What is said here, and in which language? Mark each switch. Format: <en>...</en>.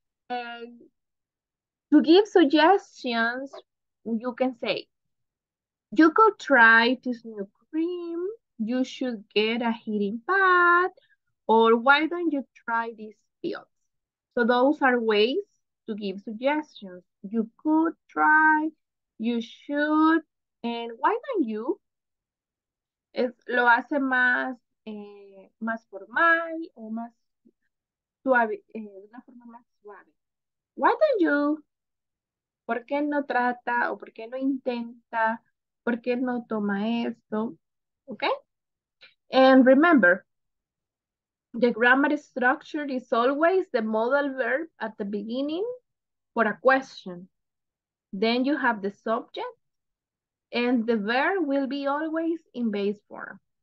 <en>And to give suggestions, you can say, you could try this new cream, you should get a heating pad, or why don't you try this pill? So those are ways to give suggestions. You could try, you should, and why don't you?</en> <es>Es, lo hace más, más formal o más suave, de una forma más suave.</es> <en>Why don't you?</en> <es>¿Por qué no trata o por qué no intenta? ¿Por qué no toma esto? Okay?</es> <en>And remember, the grammar structure is always the modal verb at the beginning for a question. Then you have the subject, and the verb will be always in base form.</en>